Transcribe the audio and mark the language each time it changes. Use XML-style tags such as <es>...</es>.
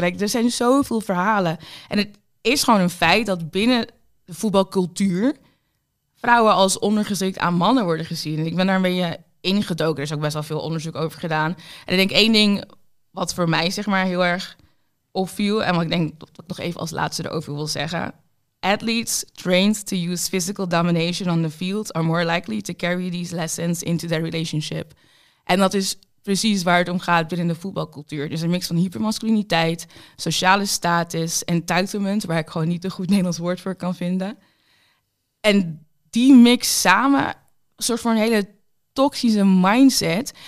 <nl>Like, er zijn zoveel verhalen. En het is gewoon een feit dat binnen de voetbalcultuur vrouwen als ondergeschikt aan mannen worden gezien. En ik ben daar een beetje ingedoken. Er is ook best wel veel onderzoek over gedaan. En ik denk één ding wat voor mij zeg maar heel erg opviel, en wat ik denk dat ik nog even als laatste erover wil zeggen.</nl> <en>Athletes trained to use physical domination on the field are more likely to carry these lessons into their relationship.</en> <nl>En dat is precies waar het om gaat binnen de voetbalcultuur. Dus een mix van hypermasculiniteit, sociale status, entitlement, waar ik gewoon niet een goed Nederlands woord voor kan vinden. En die mix samen zorgt voor een hele toxische mindset.</nl>